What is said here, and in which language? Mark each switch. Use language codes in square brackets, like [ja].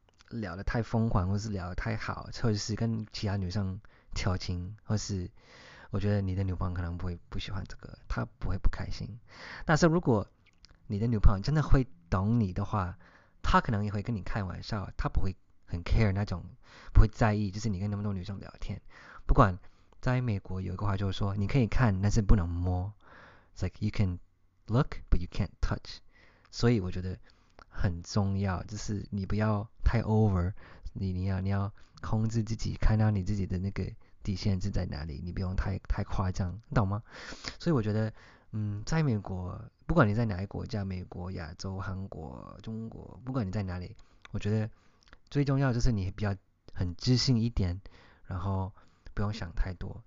[zh] 聊得太疯狂，或是聊得太好，或者是跟其他女生调情，或是我觉得你的女朋友可能不会不喜欢这个，她不会不开心。但是如果你的女朋友真的会懂你的话，她可能也会跟你开玩笑，她不会很 care 那种，不会在意，就是你跟那么多女生聊天。不管在美国有一个话就是说，你可以看，但是不能摸。 [en] It's like you can look, but you can't touch. [zh] 所以我觉得很重要，就是你不要太 over, 你要控制自己，看到你自己的那个底线是在哪里，你不用太夸张，懂吗？所以我觉得，在美国，不管你在哪一国家，美国、亚洲、韩国、中国，不管你在哪里，我觉得最重要就是你比较很自信一点，然后不用想太多。